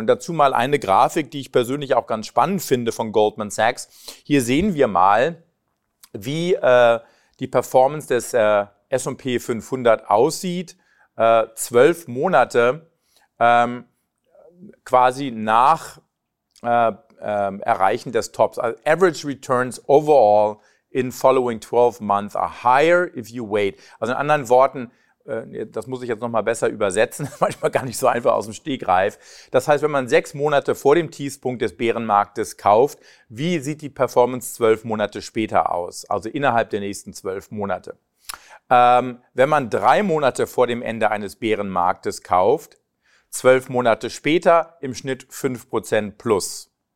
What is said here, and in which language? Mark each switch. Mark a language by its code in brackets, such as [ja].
[de] Und dazu mal eine Grafik, die ich persönlich auch ganz spannend finde von Goldman Sachs. Hier sehen wir mal, wie die Performance des S&P 500 aussieht. 12 Monate quasi nach Erreichen des Tops. [en] Also average returns overall in following 12 months are higher if you wait. [de] Also in anderen Worten, das muss ich jetzt nochmal besser übersetzen, manchmal gar nicht so einfach aus dem Stegreif. Das heißt, wenn man 6 Monate vor dem Tiefpunkt des Bärenmarktes kauft, wie sieht die Performance 12 Monate später aus? Also innerhalb der nächsten 12 Monate. Wenn man 3 Monate vor dem Ende eines Bärenmarktes kauft, 12 Monate später im Schnitt 5% plus.